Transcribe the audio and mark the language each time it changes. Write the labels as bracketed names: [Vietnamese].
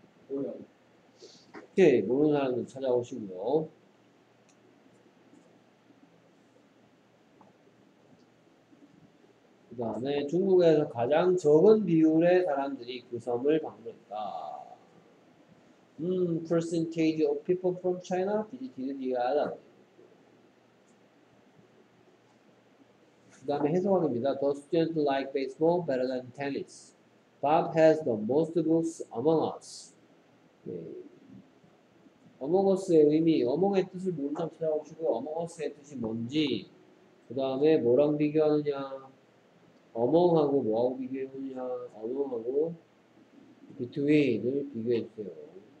[Korean] 오염. 오케이, 모르는 사람들 찾아오시고요. 그 다음에 중국에서 가장 적은 비율의 사람들이 그 섬을 방문했다. [English] Percentage of people from China visited the island. [Korean] 그 다음에 해석학입니다. [English] The students like baseball better than tennis. Bob has the most books among us. [Korean] 네. 어몽어스의 의미, 어몽의 뜻을 모르는 사람 찾아오시고 어몽어스의 뜻이 뭔지 그 다음에 뭐랑 비교하느냐 어몽하고 뭐하고 비교하느냐 어몽하고 between을 비교해주세요.